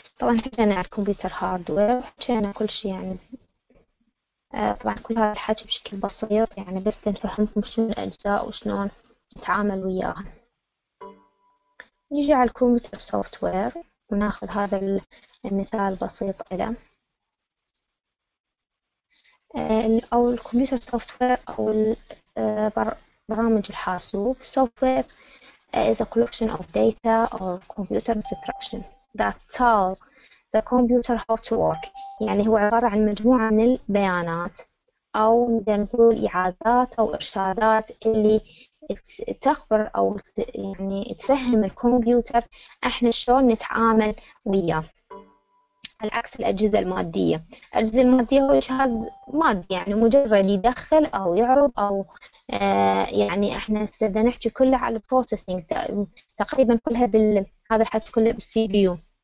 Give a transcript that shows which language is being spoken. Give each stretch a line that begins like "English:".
Arabic: طبعا حكينا عن الكمبيوتر هاردوير وحكينا كل شيء، يعني طبعا كل هذا الحكي بشكل بسيط، يعني بس تنفهمكم شنو الأجزاء وشلون نتعامل وياها. نجي على الكمبيوتر سوفتوير وناخذ هذا المثال البسيط إله، أو الكمبيوتر سوفتوير أو برامج الحاسوب.
English: Software is a collection of data or computer instruction that tell the computer how to work.
Arabic: يعني هو عبارة عن مجموعة من البيانات أو نقدر نقول إعازات أو إرشادات اللي تخبر أو يعني تفهم الكمبيوتر إحنا شلون نتعامل وياه. على عكس الأجهزة المادية، الأجهزة المادية هو جهاز مادي يعني مجرد يدخل أو يعرض أو يعني إحنا هسه نحكي كله على البروسيسنج تقريبا كلها هذا الحكي كله بالسي بي يو.